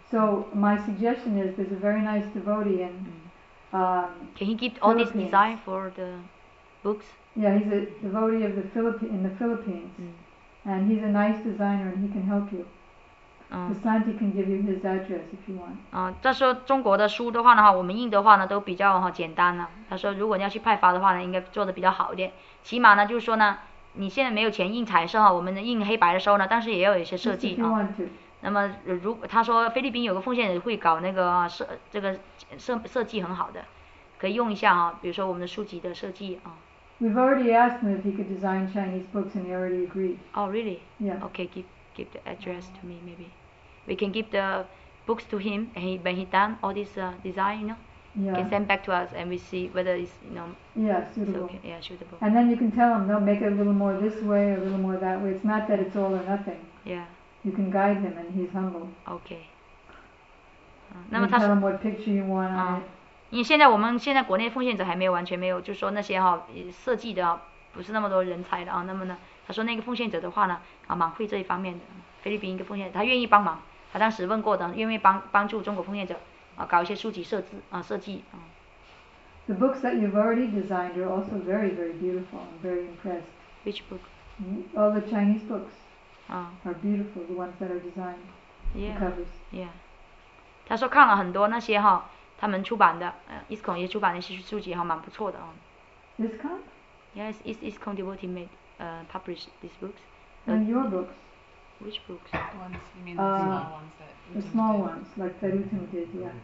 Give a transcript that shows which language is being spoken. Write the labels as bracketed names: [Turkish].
[English] So my suggestion is there's a very nice devotee in、 Can he give all this design for the books? Yeah, he's a devotee of the Philippines.、And he's a nice designer and he can help you. Santi can give you his address if you want. [Chinese] 这时候中国的书的话呢，我们印的话呢都比较简单了。他说如果你要去派发的话呢，应该做的比较好一点。起码呢就是说呢，你现在没有钱印彩色哈，我们印黑白的时候呢，但是也有一些设计啊。那么如果他说菲律宾有个奉献人会搞那个设计很好的，可以用一下啊，比如说我们的书籍的设计啊。 [English] We've already asked him if he could design Chinese books, and he already agreed. Oh, really? Yeah. Okay, give the address to me, maybe. We can give the books to him, and when he done all this design, you know, yeah, can send back to us, and we see whether it's, you know, yeah, suitable. Okay, yeah, suitable. And then you can tell him, no, make it a little more this way, a little more that way. It's not that it's all or nothing. Yeah. You can guide him, and he's humble. Okay. You can tell him what picture you want on it. [Chinese] 因为现在我们现在国内奉献者还没有完全没有，就说那些哈设计的不是那么多人才的啊，那么呢？他说那个奉献者的话呢，蛮会这一方面的，菲律宾一个奉献者，他愿意帮忙，他当时问过的，愿意帮助中国奉献者，搞一些书籍设计。 [English] The books that you've already designed are also very, very beautiful. I'm very impressed. Which book? All the Chinese books are beautiful, the ones that are designed, yeah, the covers. Yeah. [Chinese] 他说看了很多那些他们出版的，ISKCON也出版的一些书籍蛮不错的。 [English] ISKCON? Yes, ISKCON devotee made. Publish these books. And your books. Which books? Ones, you mean the small ones that. The small ones, like Perutin did, yeah.